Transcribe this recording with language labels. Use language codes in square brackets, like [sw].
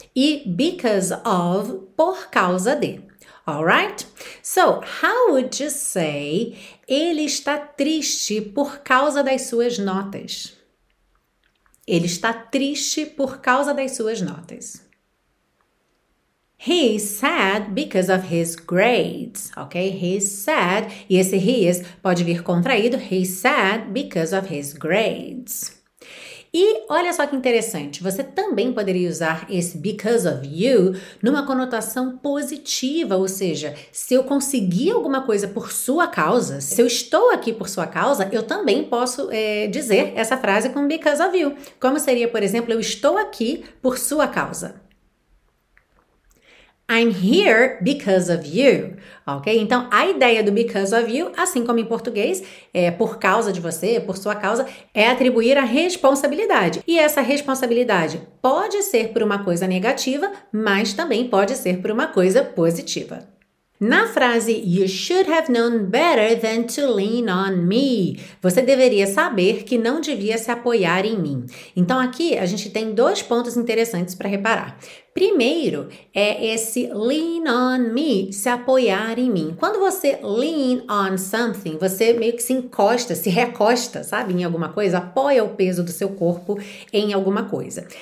[pt] E [en] because of, [pt] por causa de. Alright? [en] So, how would you say [pt] ele está triste por causa das suas notas? Ele está triste por causa das suas notas. [en] He is sad because of his grades, ok? He is sad. [pt] E esse [en] he is [pt] pode vir contraído. [en] He is sad because of his grades. [pt] E olha só que interessante, você também poderia usar esse [en] because of you [pt] numa conotação positiva, ou seja, se eu conseguir alguma coisa por sua causa, se eu estou aqui por sua causa, eu também posso dizer essa frase com because of you. Como seria, por exemplo, eu estou aqui por sua causa? [en] I'm here because of you, ok? [pt] Então, a ideia do [en] because of you, [pt] assim como em português, é por causa de você, por sua causa, é atribuir a responsabilidade. E essa responsabilidade pode ser por uma coisa negativa, mas também pode ser por uma coisa positiva. Na frase [en] You should have known better than to lean on me. [pt] Você deveria saber que não devia se apoiar em mim. Então aqui a gente tem dois pontos interessantes para reparar. Primeiro é esse [en] lean on me, [pt] se apoiar em mim. Quando você [en] lean on something, [pt] você meio que se encosta, se recosta, sabe, em alguma coisa, apoia o peso do seu corpo em alguma coisa.